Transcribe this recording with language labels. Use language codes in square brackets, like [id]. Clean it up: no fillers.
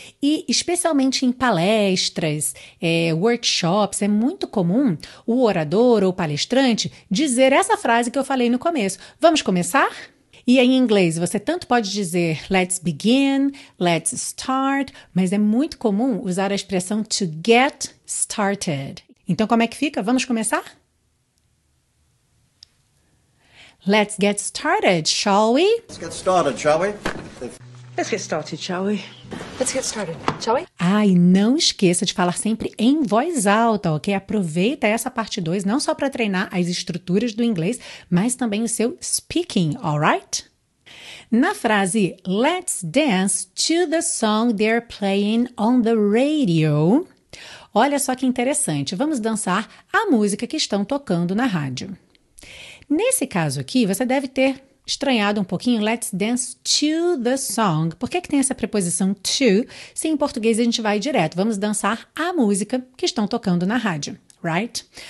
[pt] E especialmente em palestras, workshops, é muito comum o orador ou palestrante dizer essa frase que eu falei no começo. Vamos começar? E em inglês, você tanto pode dizer [en] let's begin, let's start, [pt] mas é muito comum usar a expressão to get started. Então, como é que fica? Vamos começar? [en] Let's get started, shall we? Let's get started, shall we? Let's get started, shall we? Let's get started, shall we? [pt] Ah, e não esqueça de falar sempre em voz alta, ok? Aproveita essa parte 2, não só para treinar as estruturas do inglês, mas também o seu speaking, alright? Na frase, [en] let's dance to the song they're playing on the radio. [pt] Olha só que interessante, vamos dançar a música que estão tocando na rádio. Nesse caso aqui, você deve ter estranhado um pouquinho, [en] let's dance to the song. [pt] Por que que tem essa preposição to, se em português a gente vai direto, vamos dançar a música que estão tocando na rádio, right?